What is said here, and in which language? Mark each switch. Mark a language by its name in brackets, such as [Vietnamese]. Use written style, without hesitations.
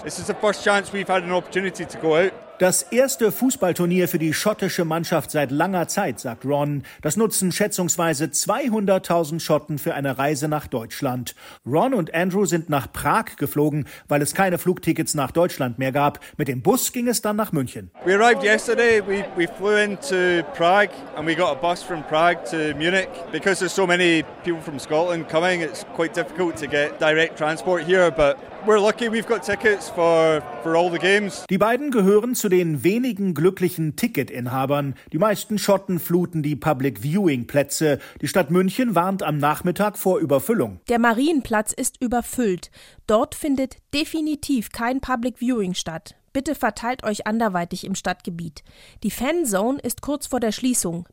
[English] This is the first chance we've had an opportunity to go out. [German] Das erste Fußballturnier für die schottische Mannschaft seit langer Zeit, sagt Ron. Das nutzen schätzungsweise 200.000 Schotten für eine Reise nach Deutschland. Ron und Andrew sind nach Prag geflogen, weil es keine Flugtickets nach Deutschland mehr gab. Mit dem Bus ging es dann nach München. [English] We arrived yesterday. We flew into Prague and we got a bus from Prague to Munich. Because there's so many people from Scotland coming, it's quite difficult to get direct transport here. But We're lucky we've got tickets for all the games. [German] Die beiden gehören zu den wenigen glücklichen Ticketinhabern. Die meisten Schotten fluten die Public Viewing Plätze. Die Stadt München warnt am Nachmittag vor Überfüllung. Der Marienplatz ist überfüllt. Dort findet definitiv kein Public Viewing statt. Bitte verteilt euch anderweitig im Stadtgebiet. Die Fanzone ist kurz vor der Schließung.